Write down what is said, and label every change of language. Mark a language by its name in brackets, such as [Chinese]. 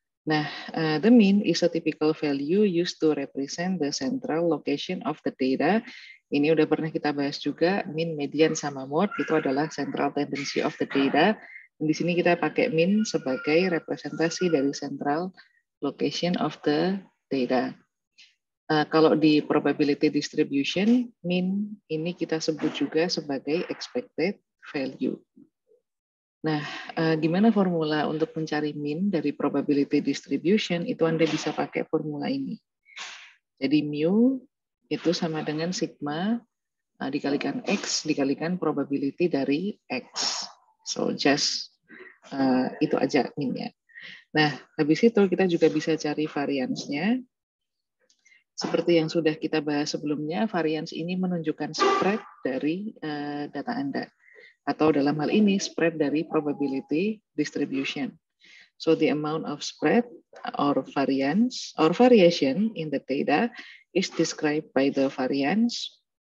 [English] Nah, the mean is a typical value used to represent the central location of the data. [Indonesian] Ini udah pernah kita bahas juga, mean, median, sama mode, itu adalah [English] central tendency of the data. [Indonesian] Dan di sini kita pakai mean sebagai representasi dari [English] central location of the data. [Indonesian] Kalau di probability distribution, mean ini kita sebut juga sebagai expected value. Nah, gimana formula untuk mencari mean dari probability distribution? Itu Anda bisa pakai formula ini. Jadi mu itu sama dengan sigma dikalikan x dikalikan probability dari x. So just itu aja mean-nya. Nah, habis itu kita juga bisa cari variance-nya. Seperti yang sudah kita bahas sebelumnya, variance ini menunjukkan spread dari data Anda. Atau dalam hal ini, spread dari probability distribution. [English] So the amount of spread or variance or variation in the data is described by the variance.